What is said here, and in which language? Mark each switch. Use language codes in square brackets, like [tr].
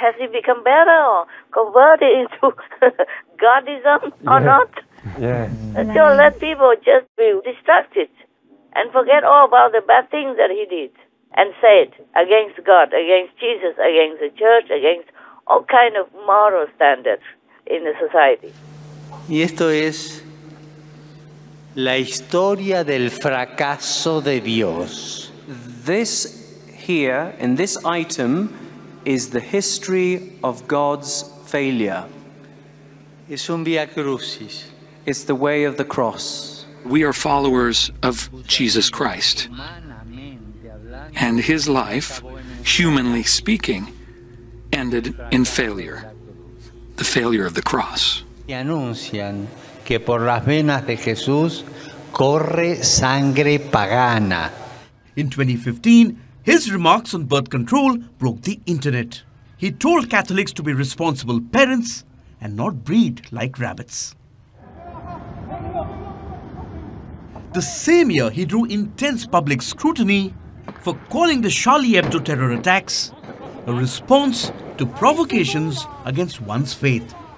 [en] Has he become better or converted into Godism or not? Yes. So let people just be distracted and forget all about the bad things that he did and said against God, against Jesus, against the church, against all kind of moral standards in the society. [es] Y esto es la historia del fracaso de Dios. [en] This here, in this item, is the history of God's failure. [es] Es un via crucis. [en] It's the way of the cross. We are followers of Jesus Christ. And his life, humanly speaking, ended in failure. The failure of the cross. [es] Y anuncian que por las venas de Jesús corre sangre pagana. [en] In 2015, his remarks on birth control broke the internet. He told Catholics to be responsible parents and not breed like rabbits. The same year, he drew intense public scrutiny for calling the Charlie Hebdo terror attacks a response to provocations against one's faith.